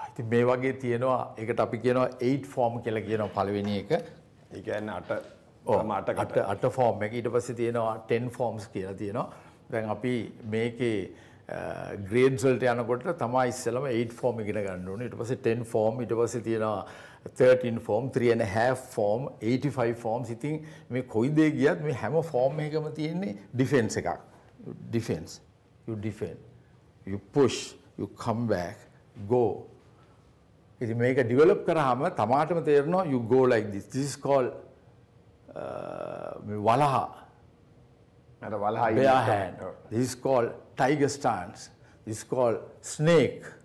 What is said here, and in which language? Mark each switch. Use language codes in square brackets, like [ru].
[si] මේ වගේ තියෙනවා ඒකට අපි කියනවා 8 form කියලා කියනවා පළවෙනි එක. ඒ කියන්නේ 8 තම 8කට 8 form එක. ඊට පස්සේ තියෙනවා 10 forms කියලා තියෙනවා. දැන් අපි මේකේ grades වලට යනකොට තමයි ඉස්සෙල්ලාම 8 form ඉගෙන ගන්න ඕනේ. ඊට පස්සේ 10 form, ඊට පස්සේ තියෙනවා 13 form, 3 and a half form, 85 forms. ඉතින් මේ කොයි දේ ගියත් මේ හැම form එකම තියෙන්නේ defense එකක්. [en] Defense. You defend. You push, you come back, go. [si] ඉතින් මේක ඩිවලොප් කරාම තමාටම තේරෙනවා you go like this this is called මේ වලහ නේද වලහ [en] bear hand this is called tiger stance this is called snake